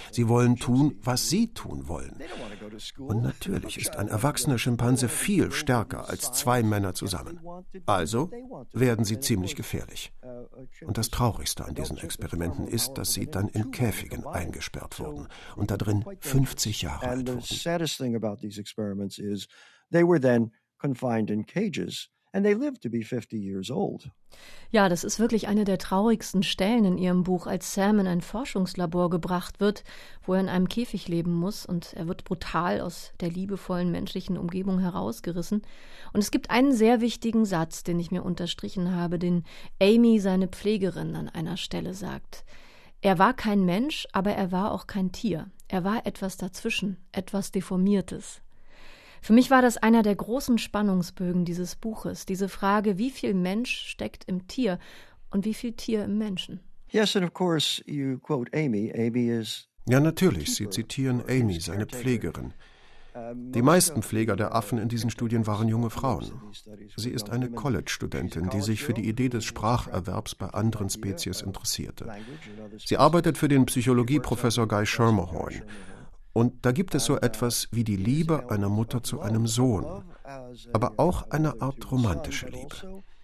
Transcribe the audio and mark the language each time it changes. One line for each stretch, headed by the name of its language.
German: Sie wollen tun, was sie tun wollen. Und natürlich ist ein erwachsener Schimpanse viel stärker als zwei Männer zusammen. Also werden sie ziemlich gefährlich. Und das Traurigste an diesen Experimenten ist, dass sie dann in Käfigen eingesperrt wurden und da drin 50 Jahre alt wurden.
English: The saddest thing about these experiments is they were then confined in cages. And they lived to be 50 years old.
German: Ja, das ist wirklich eine der traurigsten Stellen in Ihrem Buch, als Sam in ein Forschungslabor gebracht wird, wo er in einem Käfig leben muss und er wird brutal aus der liebevollen menschlichen Umgebung herausgerissen. Und es gibt einen sehr wichtigen Satz, den ich mir unterstrichen habe, den Amy, seine Pflegerin, an einer Stelle sagt. Er war kein Mensch, aber er war auch kein Tier. Er war etwas dazwischen, etwas Deformiertes. Für mich war das einer der großen Spannungsbögen dieses Buches, diese Frage, wie viel Mensch steckt im Tier und wie viel Tier im Menschen.
English: Yes, and of course you quote Amy. Amy is.
German: Ja, natürlich, Sie zitieren Amy, seine Pflegerin. Die meisten Pfleger der Affen in diesen Studien waren junge Frauen. Sie ist eine College-Studentin, die sich für die Idee des Spracherwerbs bei anderen Spezies interessierte. Sie arbeitet für den Psychologieprofessor Guy Schermerhorn. Und da gibt es so etwas wie die Liebe einer Mutter zu einem Sohn, aber auch eine Art romantische Liebe.